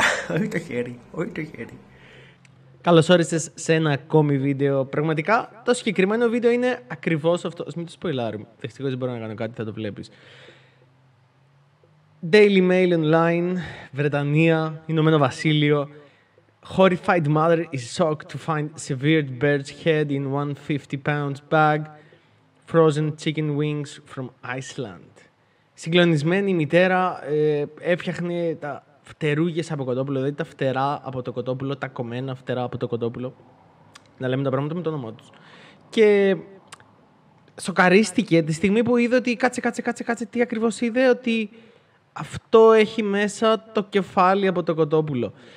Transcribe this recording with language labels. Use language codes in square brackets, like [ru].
[el] Όχι το χέρι, όχι το χέρι. Καλώς όρισες σε ένα ακόμη βίντεο. Πραγματικά, το συγκεκριμένο βίντεο είναι ακριβώς αυτό. Ας μην το σποιλάρουμε. Δευτυχώς δεν μπορώ να κάνω κάτι, θα το βλέπεις. Daily Mail Online, Βρετανία, Ηνωμένο Βασίλειο. [en] Horrified mother is shocked to find severed bird's head in 150 pounds bag. Frozen chicken wings from Iceland. [el] Συγκλονισμένη μητέρα έφτιαχνε τα φτερούγες από κοτόπουλο, δηλαδή τα φτερά από το κοτόπουλο, τα κομμένα φτερά από το κοτόπουλο. Να λέμε τα πράγματα με το όνομά τους. Και σοκαρίστηκε τη στιγμή που είδε ότι κάτσε, τι ακριβώς είδε, ότι αυτό έχει μέσα το κεφάλι από το κοτόπουλο.